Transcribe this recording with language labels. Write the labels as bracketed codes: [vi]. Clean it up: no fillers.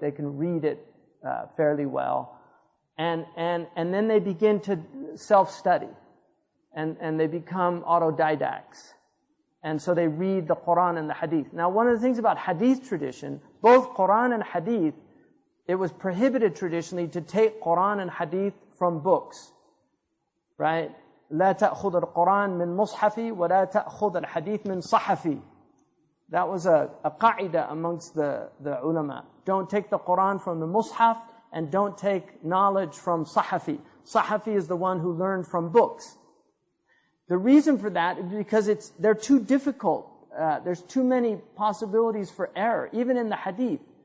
[en] They can read it fairly well. And then they begin to self-study. And they become autodidacts. And so they read the Quran and the Hadith. Now, one of the things about Hadith tradition, both Quran and Hadith, it was prohibited traditionally to take Quran and Hadith from books, right? [ar] لا تأخذ القرآن من مصحفي ولا تأخذ الحديث من صحفي. [en] That was a qa'ida amongst the ulama. Don't take the Quran from the mushaf and don't take knowledge from sahafi. Sahafi is the one who learned from books. The reason for that is because they're too difficult. There's too many possibilities for error, even in the Hadith.